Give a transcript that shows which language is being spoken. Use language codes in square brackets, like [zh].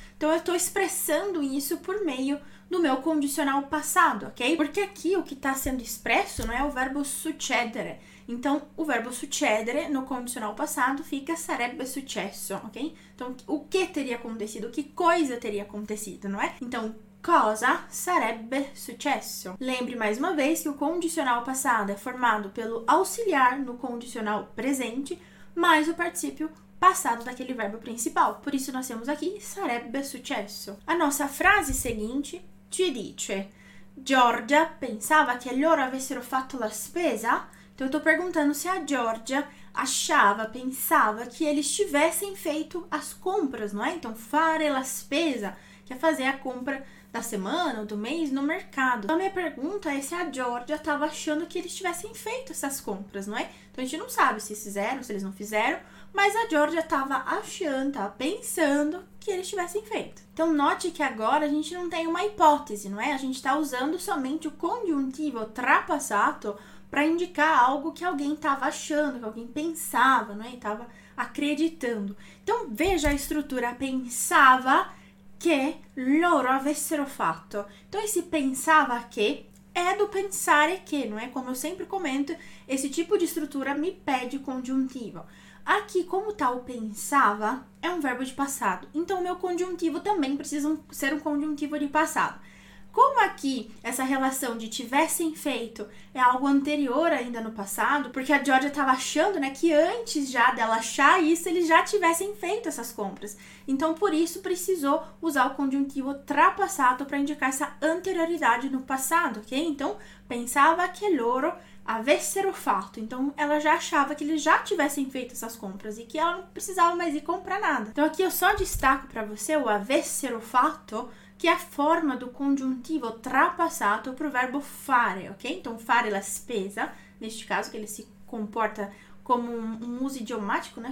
[pt] Então, eu estou expressando isso por meio do meu condicional passado, ok? Porque aqui o que está sendo expresso não é o verbo succedere. Então, o verbo succedere no condicional passado fica sarebbe successo, ok? Então, o que teria acontecido? Que coisa teria acontecido, não é? [it] Então, cosa sarebbe successo? [pt] Lembre mais uma vez que o condicional passado é formado pelo auxiliar no condicional presente mais o participio passado daquele verbo principal. Por isso, nós temos aqui sarebbe successo. A nossa frase seguinte [it] ci dice Giorgia pensava che loro avessero fatto la spesa? [pt] Então, eu estou perguntando se a Giorgia achava, pensava que eles tivessem feito as compras, não é? Então, fare la spesa, que é fazer a compra da semana ou do mês no mercado. Então, a minha pergunta é se a Giorgia estava achando que eles tivessem feito essas compras, não é? Então, a gente não sabe se fizeram, se eles não fizeram, mas a Giorgia estava achando, estava pensando que eles tivessem feito. Então, note que agora a gente não tem uma hipótese, não é? A gente está usando somente o conjuntivo trapassato para indicar algo que alguém estava achando, que alguém pensava, não é? Estava acreditando. Então, veja a estrutura. [it] Pensava que loro avessero fatto. [pt] Então, esse pensava que é do pensare que, não é? Como eu sempre comento, esse tipo de estrutura me pede conjuntivo. Aqui, como está o pensava, é um verbo de passado. Então, o meu conjuntivo também precisa ser um conjuntivo de passado. Como aqui essa relação de tivessem feito é algo anterior ainda no passado, porque a Georgia estava achando, né, que antes já dela achar isso, eles já tivessem feito essas compras. Então, por isso, precisou usar o conjuntivo trapassato para indicar essa anterioridade no passado, ok? [it] Então, pensava que loro avessero fatto. [pt] Então, ela já achava que eles já tivessem feito essas compras e que ela não precisava mais ir comprar nada. Então, aqui eu só destaco para você o avessero fatto, que é a forma do conjuntivo trapassato para o verbo fare, ok? Então, fare la spesa, neste caso, que ele se comporta como um uso idiomático, né?